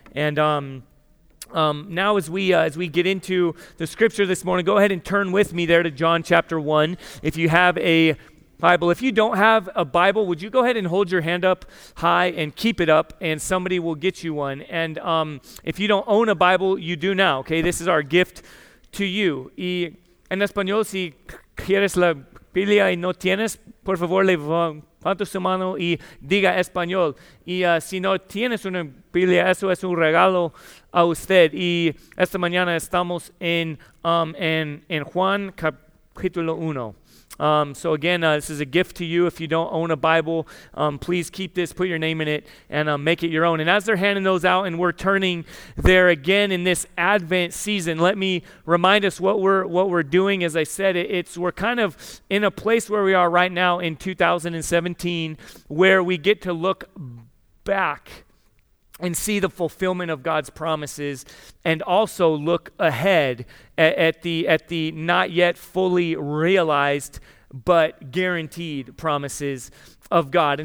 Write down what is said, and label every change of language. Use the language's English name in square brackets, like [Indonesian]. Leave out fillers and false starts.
[English] And now as we get into the scripture this morning, go ahead and turn with me there to John chapter 1. If you have a Bible. If you don't have a Bible, would you go ahead and hold your hand up high and keep it up, and somebody will get you one. And if you don't own a Bible, you do now, okay? This is our gift to you. [Spanish] Y en español, si quieres la Biblia y no tienes, por favor, levanta su mano y diga español. Y si no tienes una Biblia, eso es un regalo a usted. Y esta mañana estamos en Juan capítulo 1. [English] So again, this is a gift to you. If you don't own a Bible, please keep this, put your name in it, and make it your own. And as they're handing those out and we're turning there again in this Advent season, let me remind us what we're doing. As I said, we're kind of in a place where we are right now in 2017, where we get to look back and see the fulfillment of God's promises, and also look ahead at the not yet fully realized but guaranteed promises of God.